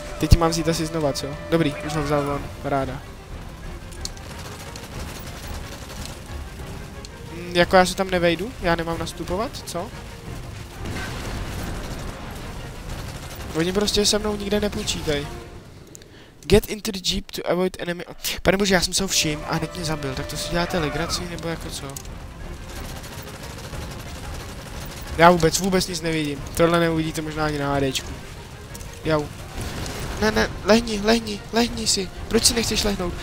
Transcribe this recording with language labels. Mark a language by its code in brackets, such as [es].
[cs] Teď mám vzít asi znova, co? Dobrý, už ho vzal von, paráda. Jako já se tam nevejdu? Já nemám nastupovat, co? Oni prostě se mnou nikde nepočítají. [en] Get into the jeep to avoid enemy... [cs] Pane bože, já jsem se ho všim a hned mě zabil, tak to si děláte legraci, nebo jako co? Já vůbec nic nevidím. Tohle neuvidíte možná ani na HDčku. Jau. Ne, lehni si. Proč si nechceš lehnout?